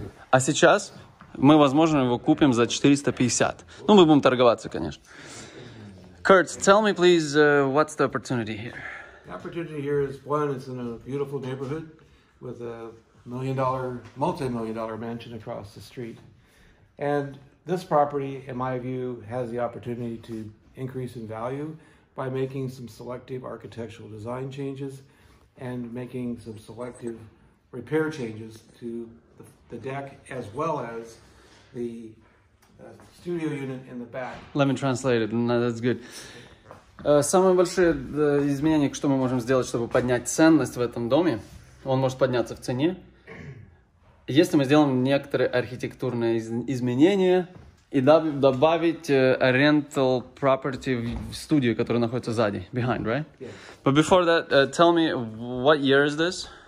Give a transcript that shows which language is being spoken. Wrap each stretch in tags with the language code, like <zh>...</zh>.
<ru>А сейчас мы, возможно, его купим за 450. Ну, мы будем торговаться, конечно.</ru> <en>Kurt, tell me, please, what's the opportunity here? The opportunity here is, one, it's in a beautiful neighborhood with a multi-million dollar mansion across the street. And this property, in my view, has the opportunity to increase in value by making some selective architectural design changes and making some selective repair changes to the deck as well as the studio unit in the back. Let me translate it. No, that's good.</en> <ru>Самое большое изменение, что мы можем сделать, чтобы поднять ценность в этом доме, он может подняться в цене, если мы сделаем некоторые архитектурные изменения и добавить</ru> <en>rental property</en> <ru>в студию, которая находится сзади,</ru> <en>behind, right? Yes. But before that, tell me, what year is this?</en>